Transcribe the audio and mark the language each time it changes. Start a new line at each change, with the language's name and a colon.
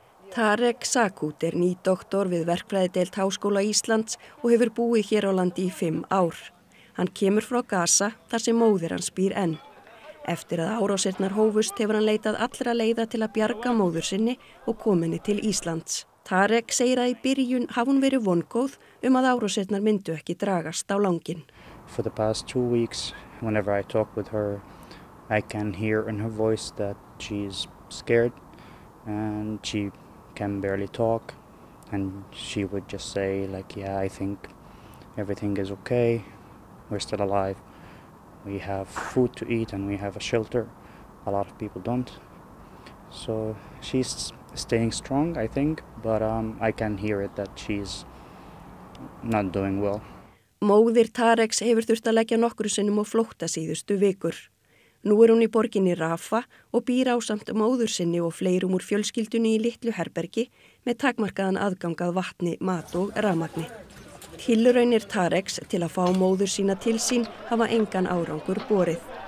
Icelandic: Tarek Sakut ný doktor við verkfræðideild Háskóla Íslands og hefur búið hér á landi í 5 ár. Hann kemur frá Gaza þar sem móðir hans býr enn. Eftir að árásirnar hófust hefur hann leitað allra leiða til að bjarga móður sinni og kominni til Íslands. Tarek segir að í byrjun hafi hún verið vongóð að árásirnar myndu ekki dragast á langinn.
English: For the past 2 weeks whenever I talk with her I can hear in her voice that she's scared and she can barely talk and she would just say like yeah I think everything is okay we're still alive we have food to eat and we have a shelter a lot of people don't so she's staying strong I think but I can hear it that she's not doing well
Icelandic: Móðir Tareks hefur þurft að leggja nokkru sinnum á flótta síðustu vikur. Nú hún í borginni Rafa og býr ásamt móður sinni og fleirum úr fjölskyldunni í litlu herbergi með takmarkaðan aðgang að vatni, mat og rafmagni. Tilraunir Tareks til að fá móður sína til sín hafa engan árangur borið.